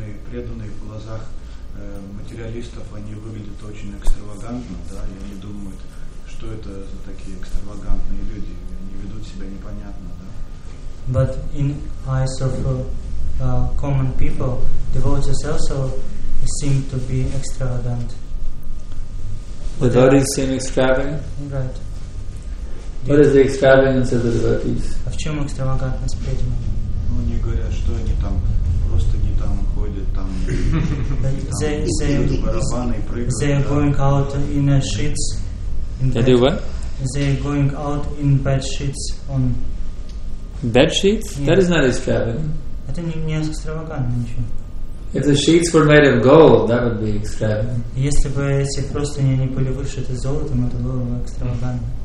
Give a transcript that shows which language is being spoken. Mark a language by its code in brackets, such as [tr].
[ru] Преданные в глазах материалистов, они выглядят очень экстравагантно, да, и они думают, что это за такие экстравагантные люди, они ведут себя непонятно, да. [en] But in eyes of common people, devotees also seem to be extravagant. The devotees seem extravagant? Right. What is the extravagance of the devotees? [ru] А в чем экстравагантность преданных? Ну, они говорят, что они там просто не там ходят, там [en] they are going out in a sheets. They do what? They are going out in bed sheets on. Bed sheets? Yeah. That is not extravagant. [ru] Это не экстравагантно ничего. [en] If the sheets were made of gold, that would be extravagant. [ru] Если бы эти простыни не были вышиты золотом, это было бы экстравагантно.